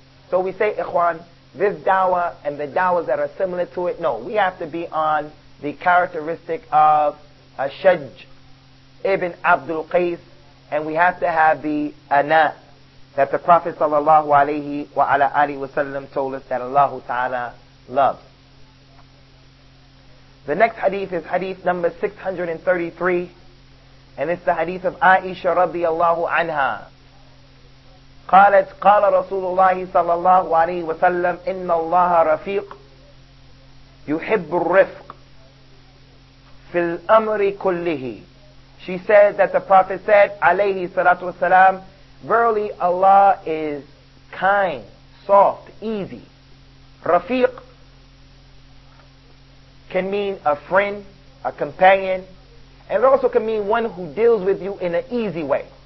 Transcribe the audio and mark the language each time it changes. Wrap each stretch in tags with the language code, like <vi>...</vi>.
<en>So we say, ikhwan, this dawah and the dawahs that are similar to it, no, we have to be on the characteristic of Ashaj ibn Abdul Qais, and we have to have the ana that the Prophet sallallahu alaihi wa ala alihi wasallam told us that Allah ta'ala loves. The next hadith is hadith number 633, and it's the hadith of Aisha radiallahu anha.</en> <ar>قالت قال رسول الله صلى الله عليه وسلم إن الله رفيق يحب الرفق في الأمر كله.</ar> <en>She said that the Prophet said</en> <ar>عليه الصلاة والسلام,</ar> <en>verily Allah is kind, soft, easy. رفيق can mean a friend, a companion, and it also can mean one who deals with you in an easy way.</en>